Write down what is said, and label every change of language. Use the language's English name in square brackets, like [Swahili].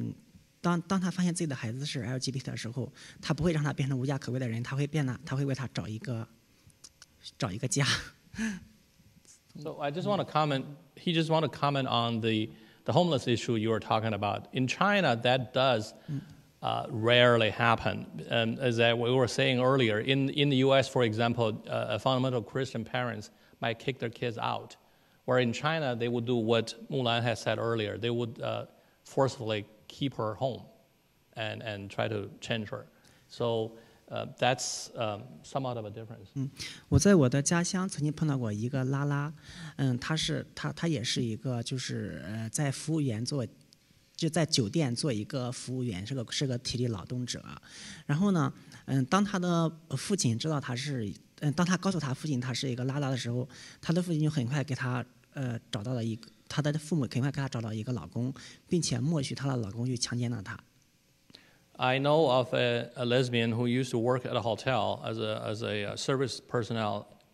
[Chinese] 但是在中国这个基本上是不会发生的，因为中国的文化它是使得就是父母和对子女的要求或者期待是很高的。如果当他发现自己的孩子是 LGBT 的时候，他不会让他变成无家可归的人，他会为他找一个家。 [English] So I just want to comment. He just want to comment on the homeless issue you were talking about. In China, that does rarely happen. And as we were saying earlier, in the US, for example, fundamental Christian parents might kick their kids out. Where in China, they would do what Mulan has said earlier. They would forcefully keep her home and try to change her. So that's somewhat of a difference. [Chinese] 我在我的家乡曾经碰到过一个拉拉, 他也是一个就是在服务员做 就在酒店做一个服务员，是个体力劳动者。然后呢，当他的父亲知道他是，当他告诉他父亲他是一个拉拉的时候，他的父亲就很快给他，找到了一个，他的父母很快给他找到一个老公，并且默许他的老公去强奸了他。 [English] I know of a lesbian who used to work at a hotel as a service personnel.